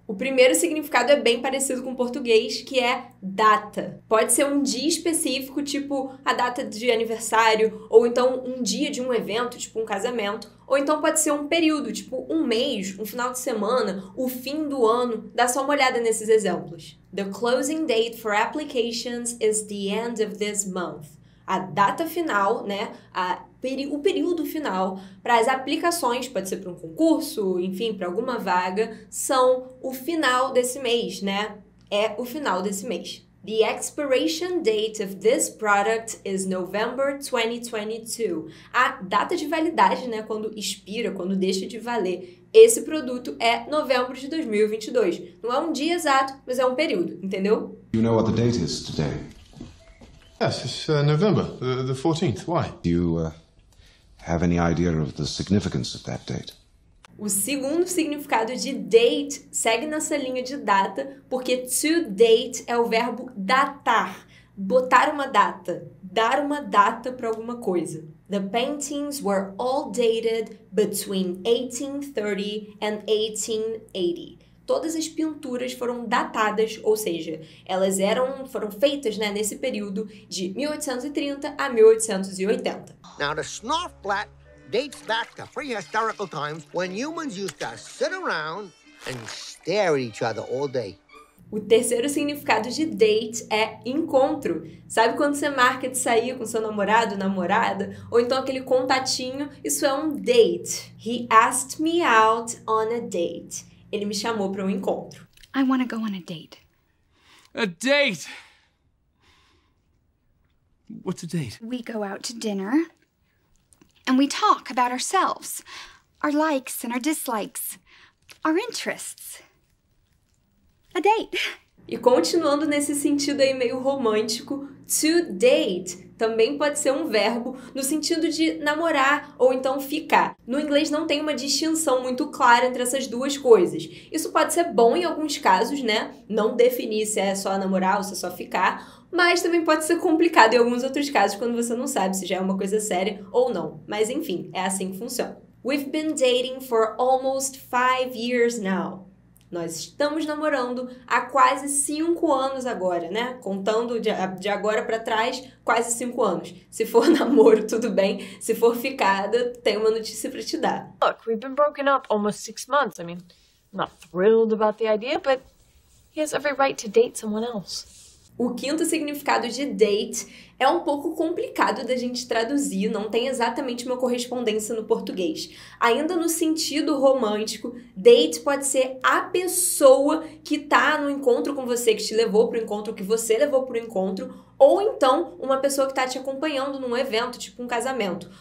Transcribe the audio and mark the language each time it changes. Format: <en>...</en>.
<pt>O primeiro significado é bem parecido com o português, que é data. Pode ser um dia específico, tipo a data de aniversário, ou então um dia de um evento, tipo um casamento. Ou então pode ser um período, tipo um mês, um final de semana, o fim do ano. Dá só uma olhada nesses exemplos.</pt> <en>The closing date for applications is the end of this month.</en> <pt>A data final, né? O período final para as aplicações, pode ser para um concurso, enfim, para alguma vaga, são o final desse mês, né? É o final desse mês.</pt> <en>The expiration date of this product is November 2022.</en> <pt>A data de validade, né? Quando expira, quando deixa de valer esse produto é novembro de 2022. Não é um dia exato, mas é um período, entendeu?</pt> <en>You know what the date is today? Yes, it's November the 14th. Why? Do you have any idea of the significance of that date?</en> <pt>O segundo significado de date segue nessa linha de data, porque to date é o verbo datar, botar uma data, dar uma data para alguma coisa.</pt> <en>The paintings were all dated between 1830 and 1880.</en> <pt>Todas as pinturas foram datadas, ou seja, elas foram feitas, né, nesse período de 1830 a 1880.</pt> <en>Now the snarf flat dates back to prehistorical times when humans used to sit around and stare at each other all day.</en> <pt>O terceiro significado de date é encontro. Sabe quando você marca de sair com seu namorado, namorada? Ou então aquele contatinho? Isso é um date.</pt> <en>He asked me out on a date.</en> <pt>Ele me chamou para um encontro.</pt> <en>I want to go on a date. A date. What's a date? We go out to dinner and we talk about ourselves, our likes and our dislikes, our interests. A date.</en> <pt>E continuando nesse sentido aí meio romântico, to date também pode ser um verbo no sentido de namorar ou então ficar. No inglês não tem uma distinção muito clara entre essas duas coisas. Isso pode ser bom em alguns casos, né? Não definir se é só namorar ou se é só ficar, mas também pode ser complicado em alguns outros casos quando você não sabe se já é uma coisa séria ou não. Mas enfim, é assim que funciona.</pt> <en>We've been dating for almost 5 years now.</en> <pt>Nós estamos namorando há quase 5 anos agora, né? Contando de agora para trás, quase 5 anos. Se for namoro, tudo bem. Se for ficada, tenho uma notícia para te dar.</pt> <en>Look, we've been broken up almost 6 months. I mean, not thrilled about the idea, but he has every right to date someone else.</en> <pt>O quinto significado de date é um pouco complicado da gente traduzir, não tem exatamente uma correspondência no português. Ainda no sentido romântico, date pode ser a pessoa que tá no encontro com você, que te levou para o encontro, que você levou para o encontro, ou então uma pessoa que está te acompanhando num evento, tipo um casamento.</pt>